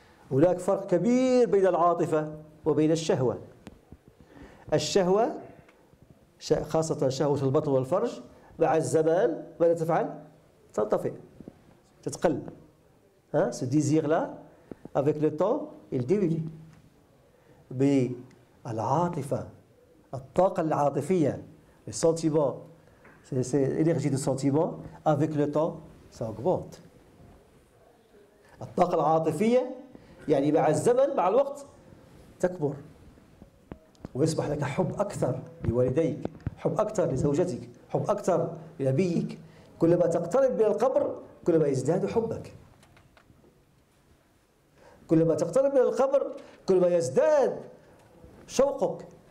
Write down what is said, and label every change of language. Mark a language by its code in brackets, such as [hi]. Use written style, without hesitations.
[ar] هناك فرق كبير بين العاطفة وبين الشهوة. الشهوة خاصة شهوة البطن والفرج مع الزمان ماذا تفعل؟ تنطفئ، تتقل. [fr] ها ce désir là avec le temps il diminue. Mais [ar] al-atifa, al-taqa al-atifiya, [fr] les sentiments, c'est l'énergie de sentiments, avec le temps ça augmente. [ar] الطاقة العاطفية يعني مع الزمن مع الوقت تكبر ويصبح لك حب أكثر لوالديك، حب أكثر لزوجتك، حب أكثر لنبيك. كلما تقترب من القبر كلما يزداد حبك، كلما تقترب من القبر كلما يزداد شوقك.